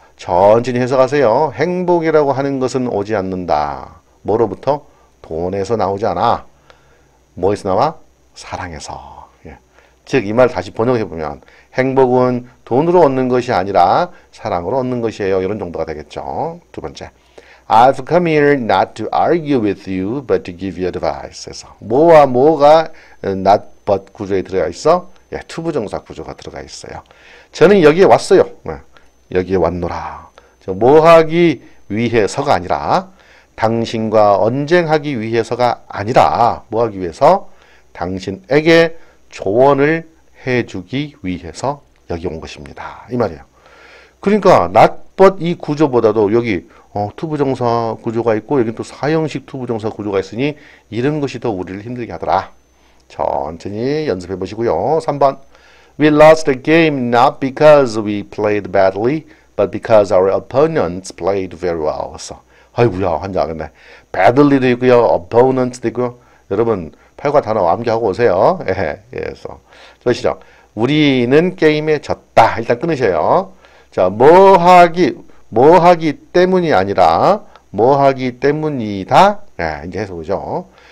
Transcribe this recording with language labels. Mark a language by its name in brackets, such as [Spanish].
[Korean] 천천히 해석하세요. 행복이라고 하는 것은 오지 않는다. 뭐로부터? 돈에서 나오지 않아. 뭐에서 나와? 사랑에서. 예. 즉, 이말 다시 번역해보면 행복은 돈으로 얻는 것이 아니라 사랑으로 얻는 것이에요. 이런 정도가 되겠죠. 두 번째. [English] I've come here not to argue with you, but to give you advice. [Korean] 해서 뭐와 뭐가 not but 구조에 들어가 있어? 예, to 부정사 구조가 들어가 있어요. 저는 여기에 왔어요. 여기에 왔노라. 저뭐 하기 위해서가 아니라, 당신과 언쟁하기 위해서가 아니라, 뭐 하기 위해서? 당신에게 조언을 해주기 위해서 여기 온 것입니다. 이 말이에요. 그러니까, not but 이 구조보다도 여기, to 부정사 구조가 있고, 여기 또 사형식 to 부정사 구조가 있으니, 이런 것이 더 우리를 힘들게 하더라. 천천히 연습해 보시고요. 3번. [English] We lost the game not because we played badly, but because our opponents played very well. [Korean] 아이고야, 환장하겠네. Badly도 있고요, opponents도 있고요. 여러분, 팔과 단어 암기하고 오세요. 예, 그래서. 그러시죠? 우리는 게임에 졌다. 일단 끊으세요. 자, 뭐 하기 때문이 아니라, 뭐 하기 때문이다. 예, 이제 해서 보죠.